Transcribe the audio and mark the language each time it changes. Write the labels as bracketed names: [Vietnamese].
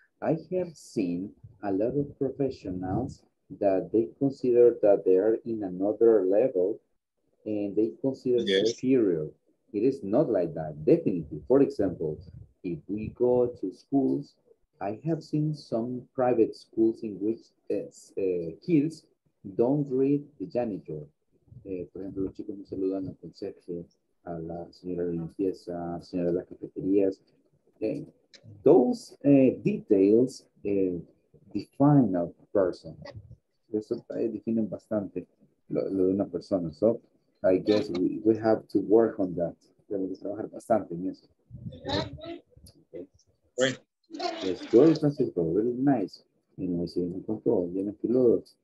[English] I have seen a lot of professionals that they consider that they are in another level and they consider superior. It is not like that, definitely. For example, if we go to schools, I have seen some private schools in which kids don't greet the janitor. [Spanish] Por ejemplo, los chicos no saludan al conserje, a la señora de limpieza, a la señora de las cafeterías. [English] Those details define a person. [Spanish] Eso define bastante lo de una persona. [English] So I guess we have to work on that. [Spanish] Tenemos que trabajar bastante en eso. [English] Okay. Yes, good, [Spanish] Francisco. [English] Very nice. [Spanish] Y nos seguimos con todo. Bien, aquí los dos.